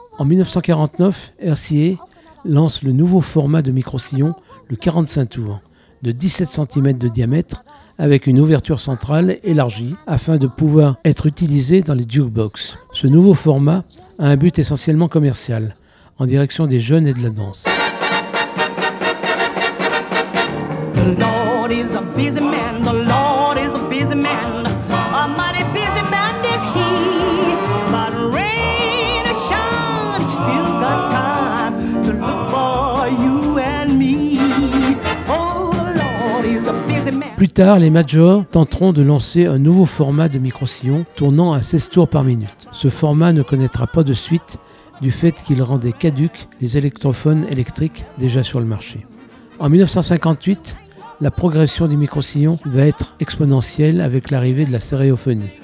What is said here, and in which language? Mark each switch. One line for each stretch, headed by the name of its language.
French: En 1949, RCA lance le nouveau format de micro-sillon, le 45 tours, de 17 cm de diamètre, avec une ouverture centrale élargie, afin de pouvoir être utilisé dans les jukebox. Ce nouveau format a un but essentiellement commercial, en direction des jeunes et de la danse.
English: The Lord is a busy man, the Lord is a busy man, a mighty busy man is he, but rain or shine, he's still got time to look for you and me. Oh, Lord is a busy man.
French: Plus tard, les majors tenteront de lancer un nouveau format de micro-sillon tournant à 16 tours par minute. Ce format ne connaîtra pas de suite du fait qu'il rendait caduques les électrophones électriques déjà sur le marché. En 1958, la progression du micro-sillon va être exponentielle avec l'arrivée de la stéréophonie.